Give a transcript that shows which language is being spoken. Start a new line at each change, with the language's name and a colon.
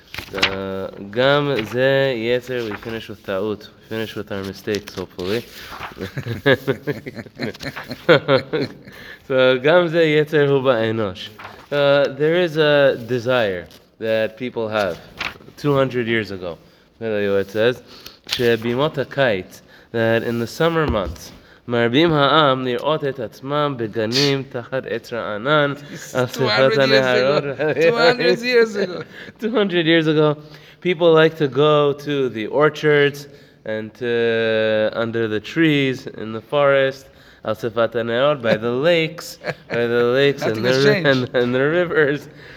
English: Gam ze yeter, we finish with ta'ut. We finish with our mistakes, hopefully. So,
Hebrew: gam ze yeter hu ba'enosh.
English: There is a desire that people have 200 years ago. It says
Hebrew: שבימות הקיץ,
English: that in the summer months,
Hebrew: מרבים העם לראות את עצמם בגנים תחת עץ רענן, על שיחות הנהרות.
English: 200 years ago, people like to go to the orchards and to under the trees in the forest,
Hebrew: על שיחות הנהרות,
English: by the lakes, by the lakes and the rivers.